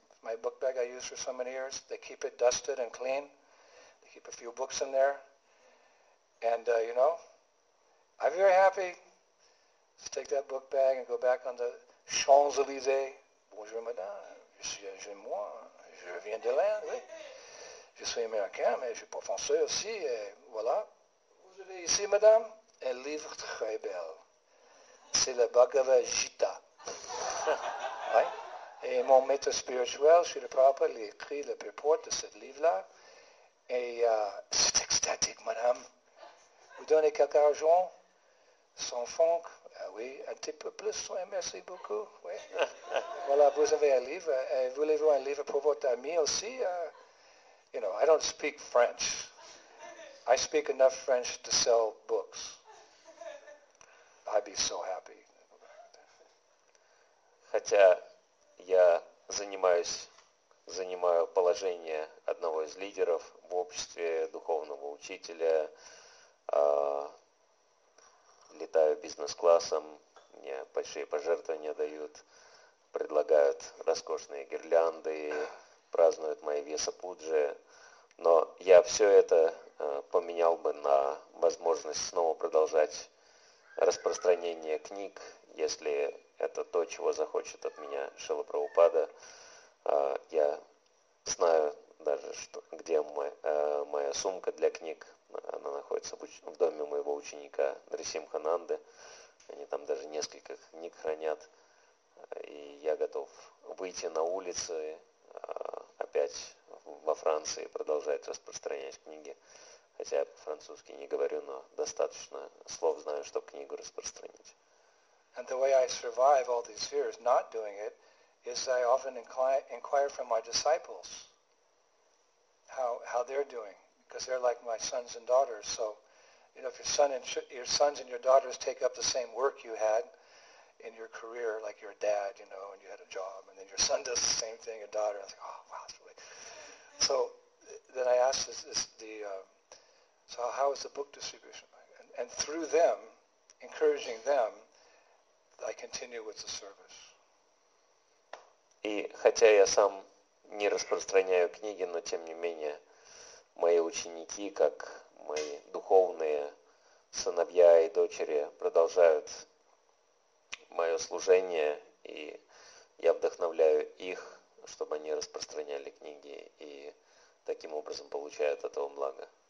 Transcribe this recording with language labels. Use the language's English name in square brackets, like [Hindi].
[English] My book bag I used for so many years. They keep it dusted and clean. They keep a few books in there. And, you know, I'm very happy to take that book bag and go back on the Champs-Élysées. [French] Bonjour, madame. Je suis chez moi. Je viens de l'Inde. Je suis américain, mais je suis pas français aussi. Et voilà. Vous avez ici, madame, un livre très bel. C'est le Bhagavad Gita. [English] Right? [French] Et mon maître spirituel, Srila Prabhupada, il a écrit le purport de ce livre-là. Et c'est extatique, madame. Vous donnez quelque argent, sans franc, oui, un petit peu plus, oui, merci beaucoup. Oui. Voilà, vous avez un livre. Et voulez-vous un livre pour votre ami aussi? [English] You know, I don't speak French. I speak enough French to sell books. I'd be so happy. [Russian] Хотя я занимаю положение одного из лидеров в обществе, духовного учителя, летаю бизнес-классом, мне большие пожертвования дают, предлагают роскошные гирлянды, празднуют мои веса-пуджи, но я все это поменял бы на возможность снова продолжать распространение книг, если это то, чего захочет от меня Шрила Прабхупада. Я знаю даже, что, где моя сумка для книг. Она находится в доме моего ученика Нарисимхананды. Они там даже несколько книг хранят. И я готов выйти на улицы опять во Франции, продолжать распространять книги. Хотя я по-французски не говорю, но достаточно слов знаю, чтобы книгу распространить. [English] And the way I survive all these years not doing it is I often inquire from my disciples, how they're doing, because they're like my sons and daughters. So, you know, if your son and your sons and your daughters take up the same work you had in your career, like your dad, you know, and you had a job, and then your son does the same thing, your daughter, I was like, oh, wow, that's really... So then I asked so how is the book distribution? And through them, encouraging them, I continue with the service. [Russian] И хотя я сам не распространяю книги, но тем не менее мои ученики, как мои духовные сыновья и дочери, продолжают мое служение, и я вдохновляю их, чтобы они распространяли книги и таким образом получают от этого благо.